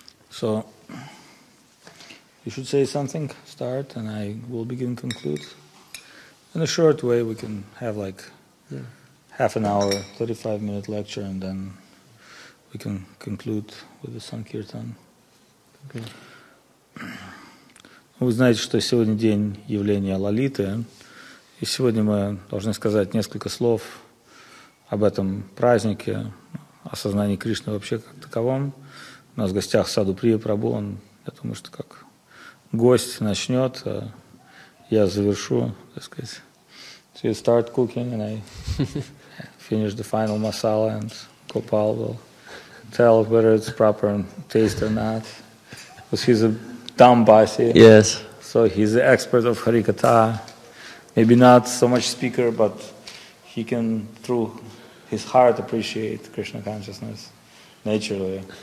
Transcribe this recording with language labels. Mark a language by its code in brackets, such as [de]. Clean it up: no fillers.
[en] So you should say something, start, and I will begin to conclude. In a short way, we can have like half an hour, 35-minute lecture, and then we can conclude with the Sankirtan. Okay. [ru] Вы знаете, что сегодня день явления Лолиты, и сегодня мы должны сказать несколько слов об этом празднике, о сознании Кришны вообще как таковом. У нас в гостях Саду Прия Прабу, он, я думаю, что как... Гость начнет, я завершу, так сказать. [en] So you start cooking and I finish the final masala and Gopal will tell whether it's proper taste or not. Because he's a dambasi. Yes. So he's the expert of Harikata. Maybe not so much speaker, but he can, through his heart, appreciate Krishna consciousness naturally.